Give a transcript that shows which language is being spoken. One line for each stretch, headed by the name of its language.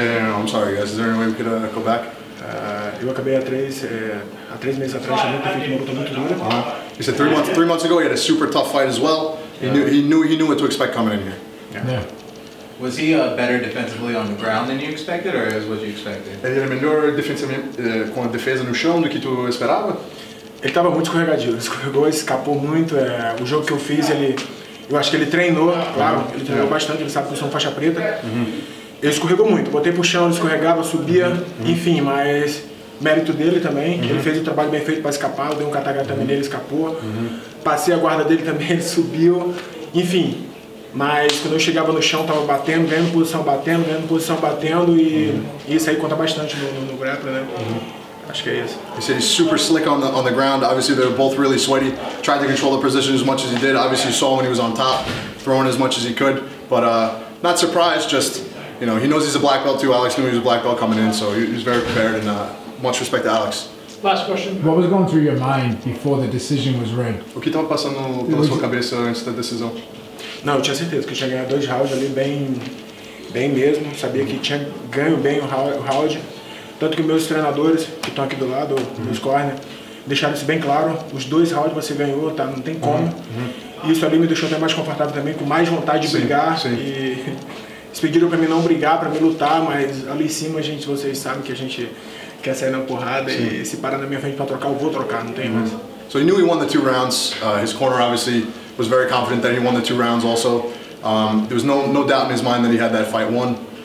English: Yeah, I'm sorry, guys. Is there any way we could go back?
Portuguese: Eu acabei há três meses atrás, já tinha feito uma luta muito dura.
English: He said three months ago, he had a super tough fight as well. He knew what to expect coming in here. Yeah. Was he better defensively on the ground than you expected, or is what you expected?
Portuguese: Ele era melhor defensivamente com a defesa no chão do que tu esperava? Ele estava muito escorregadio, escorregou, escapou muito. O jogo que eu fiz, eu acho que ele treinou, claro, ele treinou bastante, ele sabe que eu sou faixa preta. Ele escorregou muito, botei pro chão, ele escorregava, subia, enfim, mas mérito dele também, ele fez o trabalho bem feito para escapar, eu dei um catagata também nele, escapou. Passei a guarda dele também, ele subiu, enfim. Mas quando eu chegava no chão, tava batendo, ganhando posição, e isso aí conta bastante no grappler, né? Acho que é isso.
English: He said he's super slick on the ground. Obviously, they were both really sweaty. Tried to control the position as much as he did. Obviously, you saw when he was on top, throwing as much as he could. But not surprised, just, you know, he knows he's a black belt too. Alex knew he was a black belt coming in, so he was very prepared, and much respect to Alex. Last question. What was going through your mind before the decision was read?
Portuguese: O que estava passando pela sua cabeça antes da decisão? Não, eu tinha certeza que eu tinha ganhado 2 rounds ali bem mesmo. Sabia que tinha ganho bem o round. Tanto que meus treinadores, que estão aqui do lado, meus corner, deixaram isso bem claro. Os 2 rounds você ganhou, tá? Não tem como. Isso ali me deixou até mais confortável também, com mais vontade de brigar. Eles pediram para mim não brigar, para me lutar, mas ali em cima, gente, vocês sabem que a gente quer sair na porrada. Sim. E se parar na minha frente para trocar, eu vou trocar, não tem mais.
English: So he knew he won the 2 rounds. His corner obviously was very confident that he won the 2 rounds also. There was no doubt in his mind that he had that fight won.